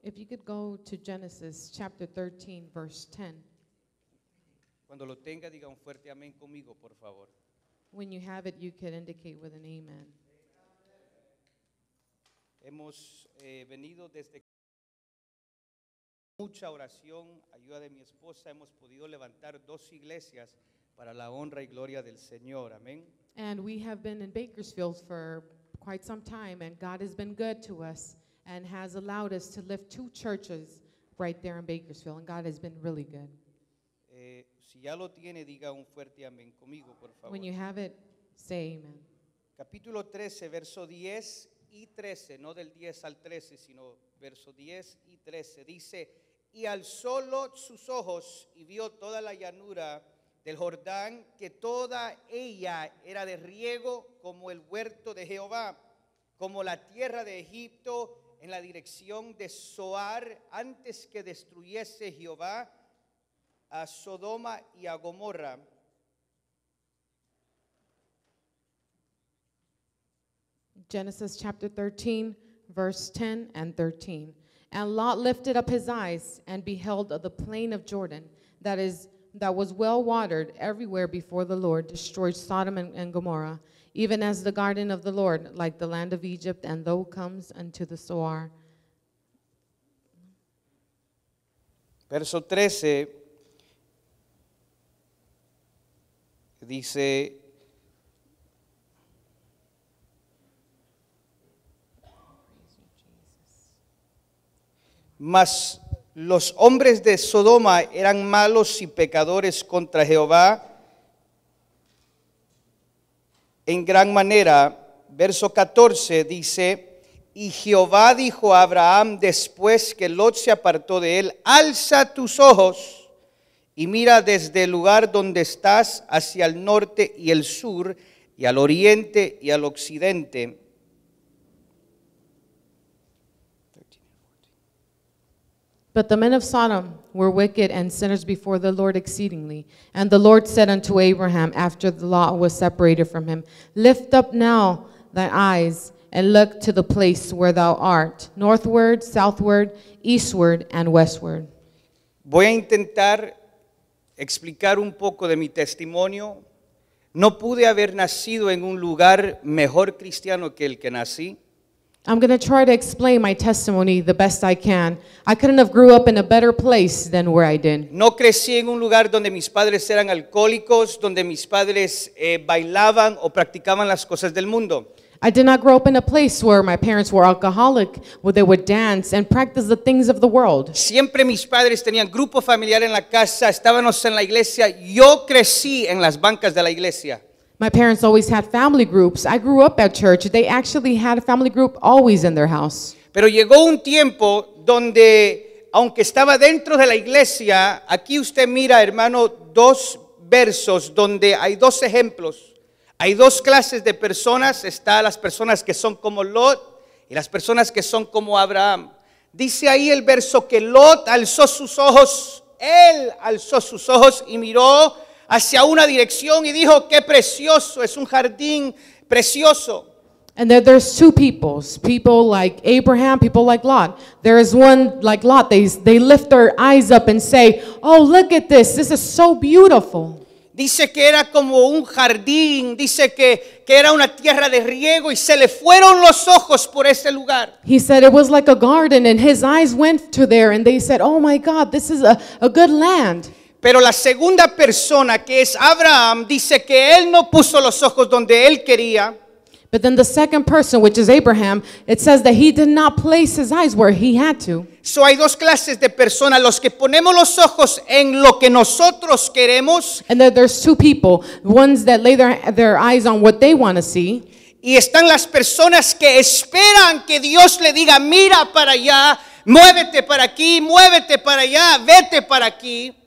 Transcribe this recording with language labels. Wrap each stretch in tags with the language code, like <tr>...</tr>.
<en>If you could go to Genesis chapter 13, verse 10.</en> <es>Cuando lo tenga, diga un fuerte amén conmigo, por favor.</es> <en>When you have it, you can indicate with an amen.</en> <es>Hemos venido desde mucha oración, ayuda de mi esposa, hemos podido levantar dos iglesias para la honra y gloria del Señor. Amén.</es> <en>And we have been in Bakersfield for quite some time, and God has been good to us and has allowed us to lift two churches right there in Bakersfield, and God has been really good.</en> <es>Si ya lo tiene, diga un fuerte amén conmigo, por favor.</es> <en>When you have it, say amen.</en> <es>Capítulo 13, verso 10 y 13, no del 10 al 13, sino verso 10 y 13, dice, y alzó Lot sus ojos y vio toda la llanura del Jordán, que toda ella era de riego como el huerto de Jehová, como la tierra de Egipto en la dirección de Zoar, antes que destruyese Jehová a Sodoma y a Gomorra.</es> <en>Genesis chapter 13, verse 10 and 13. And Lot lifted up his eyes and beheld the plain of Jordan, that was well watered everywhere before the Lord destroyed Sodom and Gomorrah, even as the garden of the Lord, like the land of Egypt, and though comes unto the Soar.</en> <es>Verso 13 dice, mas los hombres de Sodoma eran malos y pecadores contra Jehová en gran manera. Verso 14 dice, y Jehová dijo a Abraham después que Lot se apartó de él, alza tus ojos y mira desde el lugar donde estás hacia el norte y el sur y al oriente y al occidente.</es> <en>But the men of Sodom were wicked and sinners before the Lord exceedingly. And the Lord said unto Abraham, after the Lot was separated from him, lift up now thy eyes and look to the place where thou art, northward, southward, eastward, and westward.</en> <es>Voy a intentar explicar un poco de mi testimonio. No pude haber nacido en un lugar mejor cristiano que el que nací.</es> <en>I'm going to try to explain my testimony the best I can. I couldn't have grew up in a better place than where I did.</en> <es>No crecí en un lugar donde mis padres eran alcohólicos, donde mis padres bailaban o practicaban las cosas del mundo.</es> <en>I did not grow up in a place where my parents were alcoholic, where they would dance and practice the things of the world.</en> <es>Siempre mis padres tenían grupo familiar en la casa, estábamos en la iglesia. Yo crecí en las bancas de la iglesia.</es> <en>My parents always had family groups. I grew up at church. They actually had a family group always in their house.</en> <es>Pero llegó un tiempo donde, aunque estaba dentro de la iglesia, aquí usted mira, hermano, dos versos donde hay dos ejemplos. Hay dos clases de personas. Está las personas que son como Lot y las personas que son como Abraham. Dice ahí el verso que Lot alzó sus ojos. Él alzó sus ojos y miró hacia una dirección y dijo, qué precioso, es un jardín precioso.</es> <en>And then there's two peoples, people like Abraham, people like Lot. There is one like Lot, they lift their eyes up and say, oh, look at this, this is so beautiful.</en> <es>Dice que era como un jardín, dice que era una tierra de riego y se le fueron los ojos por ese lugar.</es> <en>He said it was like a garden and his eyes went to there and they said, oh my God, this is a good land.</en> <es>Pero la segunda persona, que es Abraham, dice que él no puso los ojos donde él quería.</es> <en>But then the second person, which is Abraham, it says that he did not place his eyes where he had to. So</en> <es>hay dos clases de personas, los que ponemos los ojos en lo que nosotros queremos.</es> <en>And then there's two people, ones that lay their eyes on what they want to see.</en> <es>Y están las personas que esperan que Dios le diga, mira para allá, muévete para aquí, muévete para allá, vete para aquí.</es>